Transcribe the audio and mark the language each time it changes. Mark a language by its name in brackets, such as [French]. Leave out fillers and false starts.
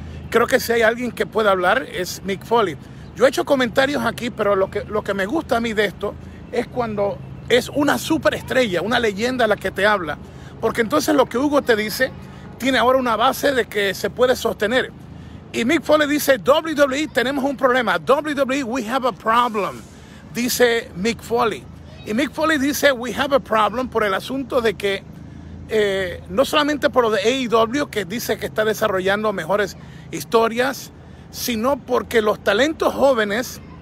[Spanish] Creo que si hay alguien que pueda hablar es Mick Foley. Yo he hecho comentarios aquí, pero lo que me gusta a mí de esto es cuando es una superestrella, una leyenda la que te habla. Porque entonces lo que Hugo te dice tiene ahora una base de que se puede sostener. Y Mick Foley dice, WWE, tenemos un problema. [English] WWE, we have a problem, [Spanish] dice Mick Foley. Y Mick Foley dice, [English] we have a problem [Spanish] por el asunto de que, no solamente por lo de AEW, que dice que está desarrollando mejores historias, sino porque los talentos jóvenes